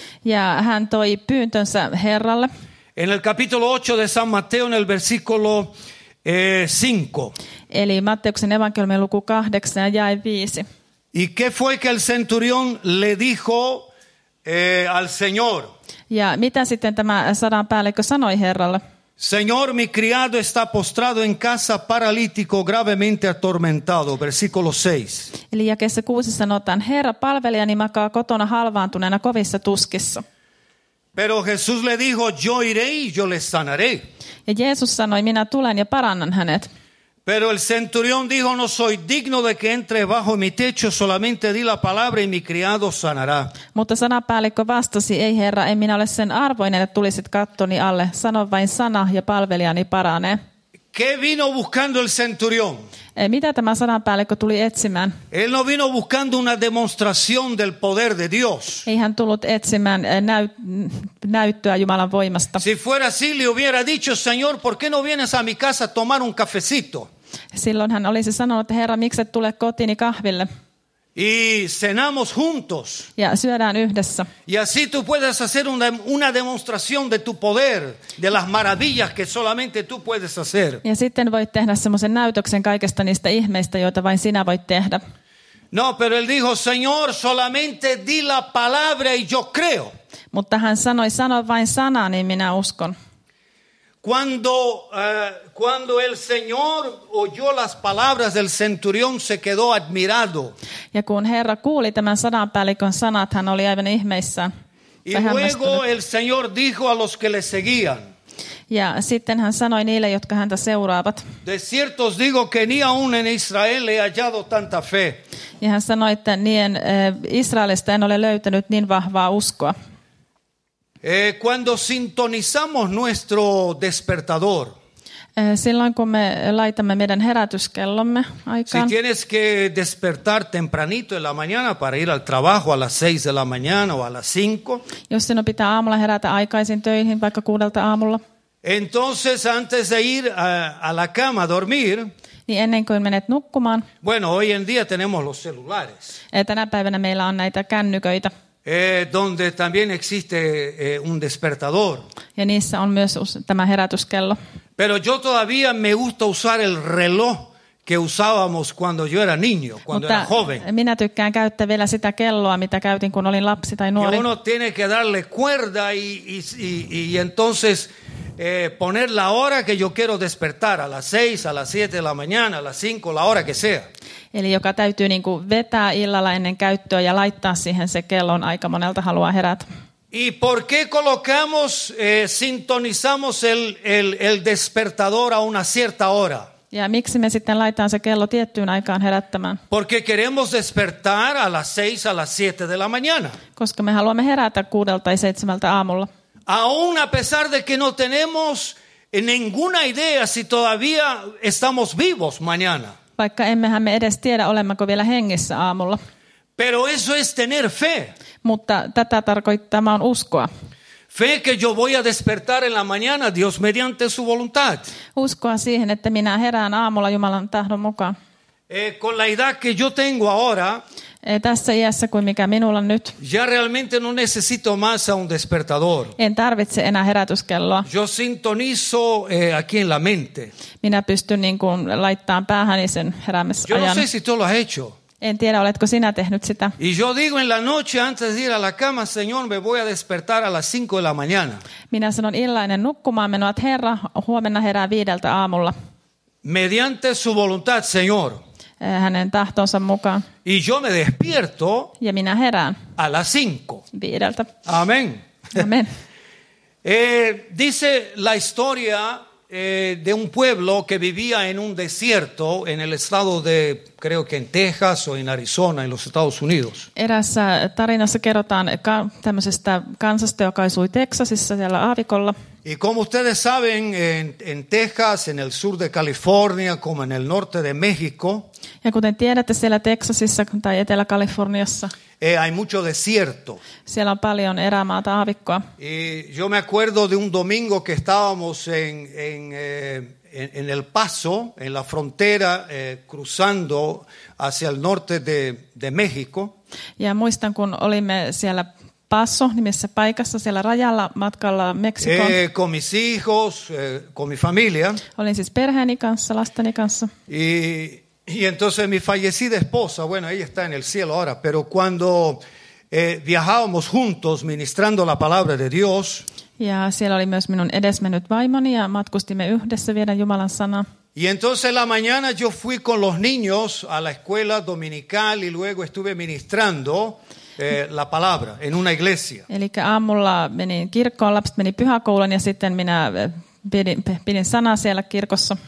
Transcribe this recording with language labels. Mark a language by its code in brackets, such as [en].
[fi] Ja hän toi pyyntönsä Herralle. [es] En el capítulo 8 de San Mateo, en el versículo 5. [fi] Eli Matteuksen evankeliumin luku 8 ja jae 5. [es] ¿Y qué fue que el centurión le dijo al Señor? [fi] Ja mitä sitten tämä sadan päällikkö sanoi Herralle? [es] Señor, mi criado está postrado en casa paralítico, gravemente atormentado. Versículo 6. [fi] Eli jakeessa 6 sanotaan, Herra, palvelijani makaa kotona halvaantuneena kovissa tuskissa. [es] Pero Jesús le dijo, yo iré y yo le sanaré. [fi] Ja Jeesus sanoi, minä tulen ja parannan hänet. [es] Pero el centurión dijo, no soy digno de que entre bajo mi techo, solamente di la palabra y mi criado sanará. [fi] Mutta sanapäällikkö vastasi, ei Herra, en minä ole sen arvoinen, että tulisit kattoni alle. Sano vain sana ja palvelijani paranee. [es] ¿Qué vino buscando el centurión? [fi] Mitä tämä sanapäällikkö tuli etsimään? [es] Él no vino buscando una demostración del poder de Dios. [fi] Ei hän tullut etsimään näyttöä Jumalan voimasta. [es] Si fuera así, le hubiera dicho, Señor, ¿por qué no vienes a mi casa a tomar un cafecito? [fi] Silloin hän olisi sanonut, että Herra, miksi et tule kotiini kahville? [es] Y cenamos juntos. [fi] Ja syödään yhdessä. [es] Y así tú puedes hacer una demostración de tu poder, de las maravillas que solamente tú puedes hacer. [fi] Ja sitten voit tehdä semmoisen näytöksen kaikesta niistä ihmeistä, joita vain sinä voit tehdä. [es] No, pero él dijo, Señor, solamente di la palabra y yo creo. [fi] Mutta hän sanoi, sano vain sana, niin minä uskon. [es] Cuando el Señor oyó las palabras del centurión, se quedó admirado. [fi] Ja kun Herra kuuli tämän sadanpäällikön sanat, hän oli aivan ihmeissään. [es] Y luego el Señor dijo a los que le seguían. [fi] Ja sitten hän sanoi niille, jotka häntä seuraavat. [es] De cierto os digo que ni aun en Israel he hallado tanta fe. [fi] Ja hän sanoi, että niin Israelista en ole löytänyt niin vahvaa uskoa. [es] Cuando sintonizamos nuestro despertador. [fi] Silloin kun me laitamme meidän herätyskellomme aikaan. [es] Si tienes que despertar tempranito en la mañana para ir al trabajo a las 6 de la mañana o a las 5. [fi] Jos sinun pitää aamulla herätä aikaisin töihin vaikka 6:00 aamulla. [es] Entonces antes de ir a la cama a dormir. [fi] Niin ennen kuin menet nukkumaan. [es] Bueno, hoy en día tenemos los celulares. [fi] Tänä päivänä meillä on näitä kännyköitä. [es] Donde también existe un despertador. [fi] Ja niissä on myös tämä herätyskello. [es] Pero yo todavía me gusta usar el reloj que usábamos cuando yo era niño, cuando [fi] Mutta [es] era joven. [fi] Minä tykkään käyttää vielä sitä kelloa, mitä käytin, kun olin lapsi tai nuori. [es] Y uno tiene que darle cuerda y entonces poner la hora que yo quiero despertar, a las 6, a las 7 de la mañana, a las 5, la hora que sea. [fi] Eli joka täytyy niin kuin vetää illalla ennen käyttöä ja laittaa siihen se kellon aika monelta haluaa herätä. [es] Y por qué colocamos sintonizamos el despertador a una cierta hora? [fi] Ja miksi me sitten laitetaan se kello tiettyyn aikaan herättämään? [es] Porque queremos despertar a las 6 a las 7 de la mañana. [fi] Koska me haluamme herätä 6 tai 7 aamulla. [es] Aún a pesar de que no tenemos ninguna idea si todavía estamos vivos mañana. [fi] Vaikka emmehän me edes tiedä, olemmeko vielä hengissä aamulla. [es] Pero eso es tener fe. [fi] Mutta tätä tarkoittaa, tämä on uskoa. [es] Fe que yo voy a despertar en la mañana, Dios mediante su voluntad. [fi] Uskoa siihen, että minä herään aamulla Jumalan tahdon mukaan. [es] Con la edad que yo tengo ahora, [fi] tässä iässä kuin mikä minulla on nyt, [es] ya realmente no necesito más a un despertador. [fi] En tarvitse enää herätyskelloa. [es] Yo sintonizo aquí en la mente. [fi] Minä pystyn niin kuin laittamaan päähäni sen heräämisajan. [es] Yo no sé si tú lo has hecho. [fi] En tiedä, oletko sinä tehnyt sitä. [es] Y yo digo en la noche antes de ir a la cama, Señor, me voy a despertar a las 5 de la mañana. [fi] Minä sanon illainen nukkumaan menoa, että Herra, huomenna herää 5 aamulla. [es] Mediante su voluntad, Señor. [fi] Hänen tahtonsa mukaan. [es] Y yo me despierto. [fi] Ja minä herään. [es] A las 5. [fi] 5. [es] Amén. [fi] Amén. [es] Dice la historia de un pueblo que vivía en un desierto en el estado de, creo que en Texas o en Arizona, en los Estados Unidos. [fi] Erässä tarinassa kerrotaan tämmöisestä kansasta, joka asui Texasissa siellä aavikolla. [es] Y como ustedes saben, en Texas, en el sur de California, como en el norte de México. [fi] Ja kuten tiedätte, siellä Texasissa tai Etelä-Kaliforniassa. [es] Hay mucho desierto. [fi] Siellä on paljon erämaata, aavikkoa. [es] Y yo me acuerdo de un domingo que estábamos en El Paso, en la frontera, cruzando hacia el norte de México. [fi] Ja muistan, kun olimme siellä Paso nimessä paikassa siellä rajalla matkalla Meksikoon. [es] Con mis hijos, con mi familia. [fi] Olin siis perheeni kanssa, lasteni kanssa. [es] Y entonces mi fallecida esposa, bueno, ella está en el cielo ahora, pero cuando viajábamos juntos ministrando la palabra de Dios. [fi] Ja siellä oli myös minun edesmennyt vaimoni ja matkustimme yhdessä viedä Jumalan sanaa. [es] Y entonces la mañana yo fui con los niños a la escuela dominical y luego estuve ministrando la palabra en una iglesia. [fi] Elikkä aamulla menin kirkkoon, lapset meni pyhäkouluun ja sitten minä pidin sanaa siellä kirkossa.